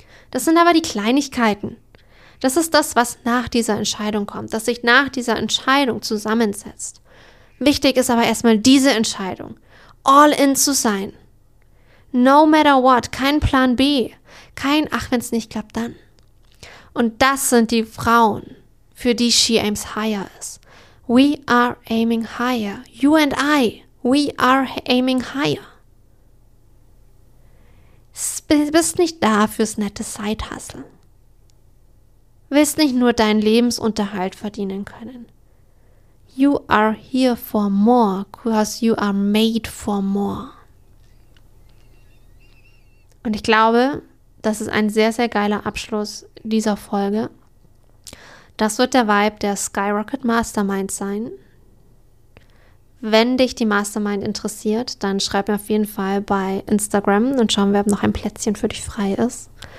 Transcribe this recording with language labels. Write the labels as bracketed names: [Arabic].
[German] Das sind aber die Kleinigkeiten. Das ist das, was nach dieser Entscheidung kommt, das sich nach dieser Entscheidung zusammensetzt. Wichtig ist aber erstmal diese Entscheidung, all in zu sein. [English] No matter what, [German] kein Plan B, kein, ach, wenn es nicht klappt, dann. Und das sind die Frauen, für die She Aims Higher ist. [English] We are aiming higher. You and I, we are aiming higher. [German] Bist nicht da fürs nette Side-Hustle. Willst nicht nur deinen Lebensunterhalt verdienen können. [English] You are here for more, because you are made for more. [German] Und ich glaube, das ist ein sehr, sehr geiler Abschluss dieser Folge. Das wird der Vibe der Skyrocket Mastermind sein. Wenn dich die Mastermind interessiert, dann schreib mir auf jeden Fall bei Instagram und schauen wir, ob noch ein Plätzchen für dich frei ist.